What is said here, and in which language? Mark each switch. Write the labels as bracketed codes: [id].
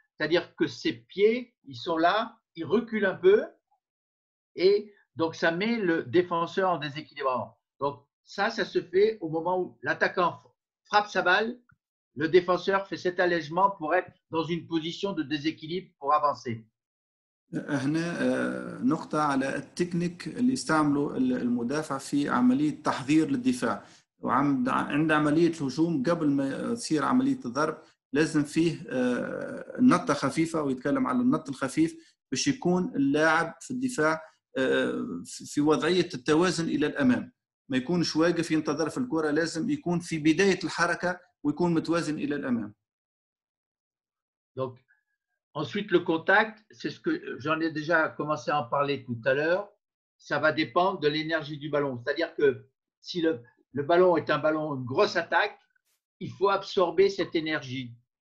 [fr] C'est-à-dire que ses pieds, ils sont là, ils reculent un peu, et donc ça met le défenseur en déséquilibre avant. Donc, ça se fait au moment où l'attaquant frappe sa balle, le défenseur fait cet allègement pour être dans une position de déséquilibre pour avancer. [ar] هنا نقطة على التكنيك اللي يستعمله المدافع في عملية تحضير للدفاع، وعند عملية الهجوم قبل ما تصير عملية الضرب لازم فيه نطة خفيفة، ويتكلم على النط الخفيف باش يكون اللاعب في الدفاع في وضعية التوازن إلى الأمام، ما يكونش واقف ينتظر في الكرة، لازم يكون في بداية الحركة ويكون متوازن إلى الأمام. [fr] دونك ensuite le contact, c'est ce que j'en ai déjà commencé à en parler tout à l'heure, ça va dépendre de l'énergie du ballon, c'est-à-dire que si le ballon est un ballon, une grosse attaque, il faut absorber cette énergie.